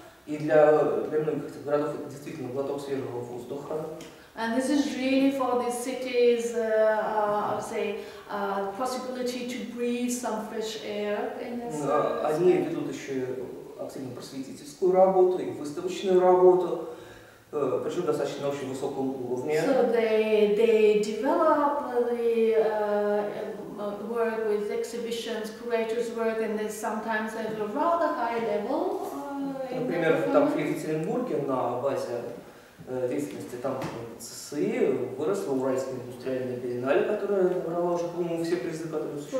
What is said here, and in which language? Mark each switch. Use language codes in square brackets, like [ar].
[ru] И для многих этих городов это действительно глоток свежего воздуха. [en] And this is really for the cities, the possibility to breathe some fresh air in this [ru] Они ведут еще активную просветительскую работу и выставочную работу, причем достаточно очень высоком уровне. [en] So they develop the work with exhibitions, curators work, and then sometimes at a rather high level. [ru] Например, там в Екатеринбурге на базе деятельности там ЦСИ выросла Уральская индустриальная биеннале, которая набрала уже, по-моему, все призы, которые